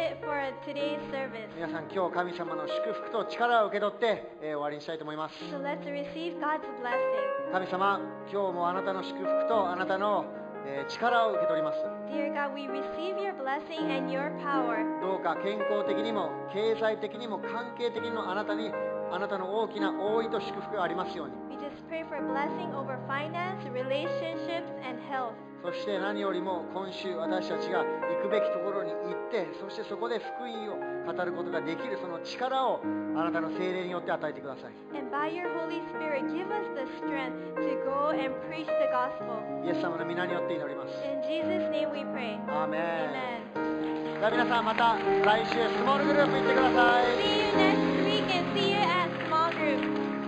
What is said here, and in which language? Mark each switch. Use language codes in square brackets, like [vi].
[ja] 神様の祝福と力を受け取って、終わりにしたいと思います。 [en] So、let's receive God's blessing. [ja] 神様、今日もあなたの祝福とあなたの力を受け取ります。 [en] Dear God, we receive your blessing and your power. [ja] どうか健康的にも経済的にも関係的にもあなたにあなたの大きな大いと祝福がありますように。 [en] We just pray for blessing over finance, relationships, and health. [ja] そして何よりも今週私たちが行くべきところに行って、そしてそこで福音を語ることができるその力をあなたの聖霊によって与えてください。 [en] And by your Holy Spirit, give us the strength to go and preach the gospel. [ja] イエス様の御名によって祈ります。 [en] In Jesus' name we pray. Amen. Amen. [ja] では皆さんまた来週スモールグループに行ってください。 [en] See you next week and see you at small group.